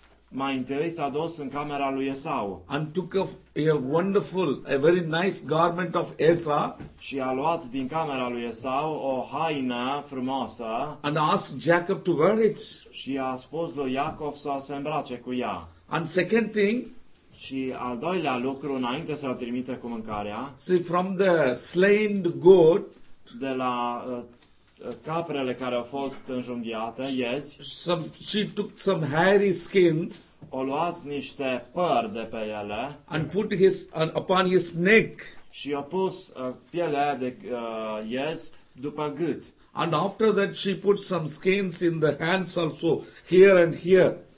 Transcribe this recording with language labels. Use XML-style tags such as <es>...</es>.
<ro>Mai întâi s-a dus în camera lui Esau.</ro> <en>And took a very nice garment of Esau.</en> <ro>Și a luat din camera lui Esau o haină frumoasă.</ro> <en>And asked Jacob to wear it.</en> <ro>Și a spus lui Iacov să se îmbrace cu ea.</ro> <en>And second thing.</en> <ro>Și al doilea lucru, înainte să-l trimite cu mâncarea.</ro> <en>See, from the slain goat.</en> <ro>De la caprele care au fost înjunghiate, yes.</ro> <en>She took some hairy skins.</en> <ro>A luat niște păr de pe ele.</ro> <en>And put upon his neck.</en> <ro>Și a pus pielea de yes după gât.</ro> <en>And after that she put some skins in the hands also, here and here.</en>